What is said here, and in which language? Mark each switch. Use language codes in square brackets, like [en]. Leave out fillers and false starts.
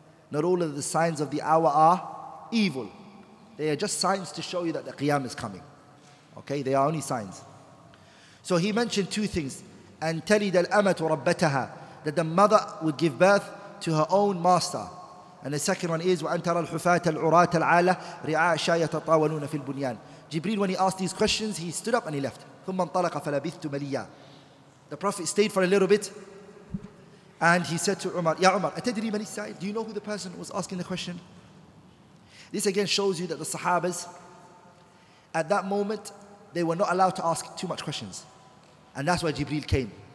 [en] Not all of the signs of the hour are evil. They are just signs to show you that the Qiyam is coming. Okay, they are only signs. So he mentioned two things. And [ar] تلد الأمت وربتها, [en] that the mother would give birth to her own master. And the second one is [ar] وأن ترى الحفاة العراة العالة رعاء الشاة يتطاولون في البنيان. [en] Jibreel, when he asked these questions, he stood up and he left. [ar] ثم انطلق فلبثت مليا. [en] The Prophet stayed for a little bit and he said to Umar, Ya Umar, atadri man is-sa'il? Do you know who the person was asking the question? This again shows you that the Sahabas, at that moment, they were not allowed to ask too much questions. And that's why Jibreel came.